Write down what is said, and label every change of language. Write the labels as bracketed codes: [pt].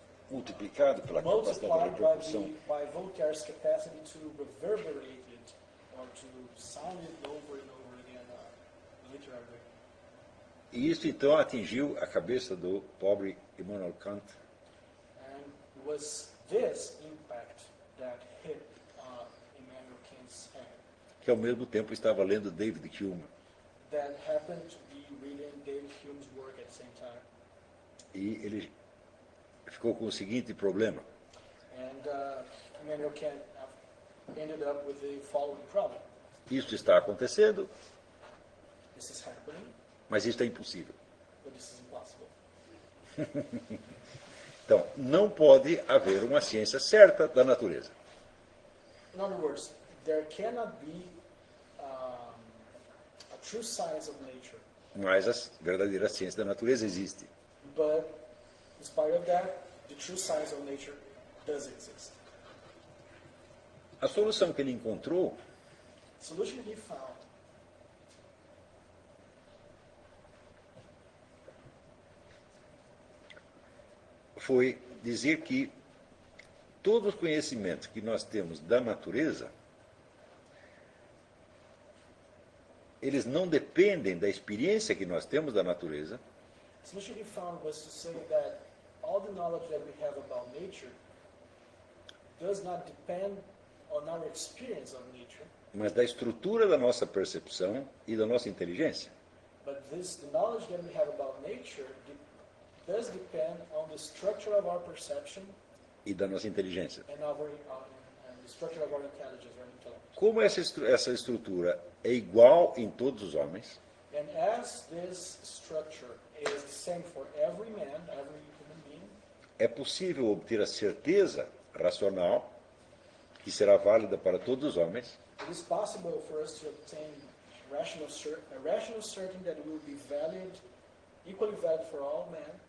[pt] multiplicado pela capacidade de repercussão. [en] By Voltaire's capacity to reverberate it or to sound it over and over again literally. [pt] E isso, então, atingiu a cabeça do pobre Immanuel Kant. [en] And was this impact that hit Immanuel Kant's head? [pt] Que, ao mesmo tempo, estava lendo David Hume. [en] That happened to be reading David Hume's work at the same time. [pt] E ele ficou com o seguinte problema. [en] And Immanuel Kant ended up with the following problem. [pt] Isso está acontecendo. [en] This is happening. [pt] Mas isso é impossível. [en] This is impossible. [pt] Então, não pode haver uma ciência certa da natureza. [en] In other words, there cannot be a true science of nature. [pt] Mas a verdadeira ciência da natureza existe. [en] But in spite of that, the true science of nature does exist. [pt] A solução que ele encontrou. [en] The solution he found. [pt] Foi dizer que todos os conhecimentos que nós temos da natureza, eles não dependem da experiência que nós temos da natureza. A solução que ele [en] found was to say that all the knowledge that we have about nature does not depend on our experience of nature. [pt] Mas da estrutura da nossa percepção e da nossa inteligência. [en] But this, the knowledge that we have about nature does depend on the structure of our perception [pt] e da nossa inteligência. [en] And the structure of our intelligence, our intelligence. [pt] Como essa estrutura é igual em todos os homens? [en] And as this structure is the same for every man, every human being, [pt] é possível obter a certeza racional que será válida para todos os homens? [en] It is possible for us to obtain a rational certainty that will be valid, equally valid for all men.